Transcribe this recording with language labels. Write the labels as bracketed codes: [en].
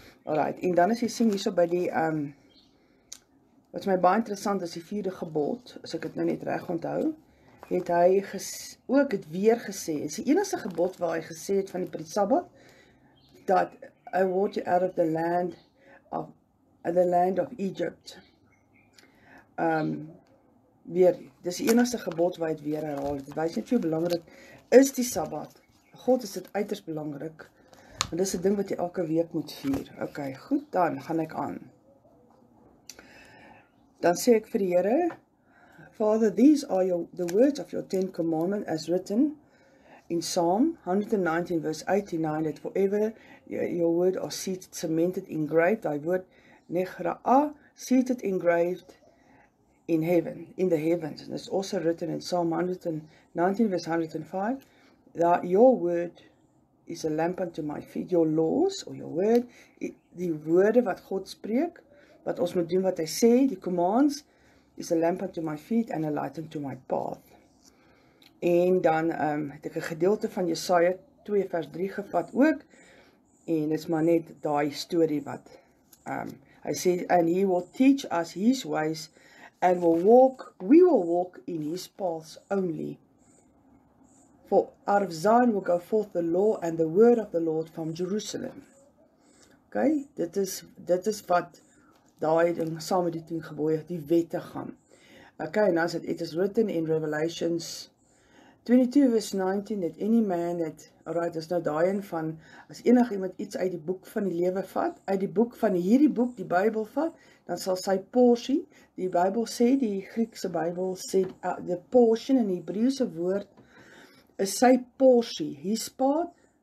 [af] Alright, en dan is jy sien hierso by die wat my baie interessant is, die vierde gebod, as ek het nou net reg onthou, het hy ook het weer gesê, is die enigste gebod waar hy gesê het van die Sabbat, dat [en] I want you out of the land of Egypt. [af] Weer, dis die enigste gebod waar hy het weer herhaal. Dit wys net hoe belangrik is die Sabbat. God is dit uiters belangrik, want dis 'n ding wat jy elke week moet vier. Ok, goed, dan gaan ek aan. Dan sê ek vir die Here, [en] Father, these are the words of your Ten Commandments as written in Psalm 119 verse 89, that forever your word are seated, cemented, engraved, thy word nechra'a, seated, engraved in heaven, in the heavens. And it's also written in Psalm 119 verse 105, that your word is a lamp unto my feet, your laws, or your word, [af] die woorde wat God spreek, wat ons moet doen wat hy sê, [en] die commands, is a lamp unto my feet and a light unto my path. [af] En dan het ek 'n gedeelte van Jesaja 2 vers 3 gevat ook, en dit is maar net daai story wat, hy sê, [en] and he will teach us his ways, and we will walk in his paths only. For out of Zion will go forth the law and the word of the Lord from Jerusalem. [af] Okay, dit is wat daai ding saam met die 10 gebooie, die wette gaan. Okay, en dan sê [en] it is written in Revelations 22 verse 19 that any man that alright, [af] is nou daai een van as enige iemand iets uit die boek van die lewe vat, uit die boek van hierdie boek, die Bybel vat, dan sal sy portie, die Bybel sê, die Griekse Bybel sê [en] the portion [af] in Hebreëse woord is sy portie, [en] his part.